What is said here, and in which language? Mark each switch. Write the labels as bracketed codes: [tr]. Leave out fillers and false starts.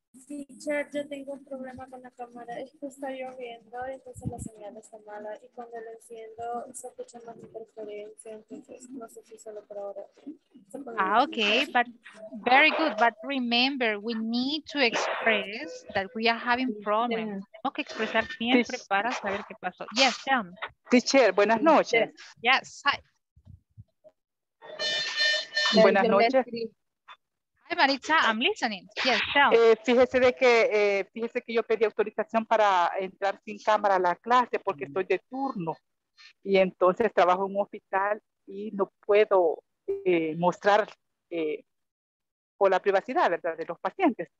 [es] Teacher, yo tengo un problema con la cámara. Es que está lloviendo, entonces la señal está mala. Y cuando la enciendo, se escucha más interferencia. Entonces, no sé si solo por ahora. [en] Ah, okay, but very good. But remember, we need to express that we are having problems. [es] Tengo que expresar siempre para saber qué pasó. [en] Yes, Sam. [es] Teacher, buenas noches. [en] Yes, hi. [es] Buenas noches. [en] Maritza, I'm listening. Yes, tell. [es] Fíjese que yo pedí autorización para entrar sin cámara a la clase porque estoy de turno y entonces trabajo en un hospital y no puedo mostrar por la privacidad, ¿verdad?, de los pacientes.